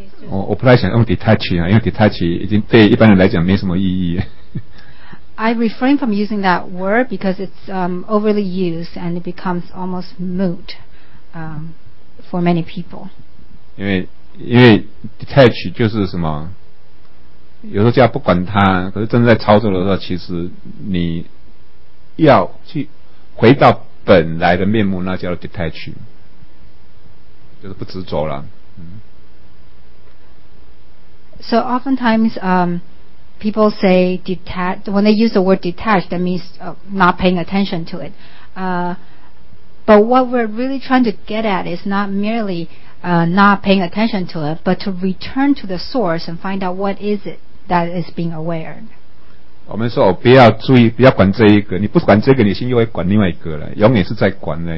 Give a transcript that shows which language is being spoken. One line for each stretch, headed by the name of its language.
Chinese: 我不太想用 detach 啊，因为 detach 已经对一般人来讲没什么意义。
English: I refrain from using that word because it's overly used and it becomes almost moot for many people.
Chinese: 因为 detach 就是什么？有时候就要不管它，可是正在操作的时候，其实你要去回到本来的面目，那叫 detach， 就是不执着了。
English: So oftentimes, people say detach. When they use the word detach, that means not paying attention to it. But what we're really trying to get at is not merely not paying attention to it, but to return to the source and find out what is it. That is being aware.
Chinese: 我们说不要注意，不要管这一个。你不管这个，你心又会管另外一个了，永远是在管的。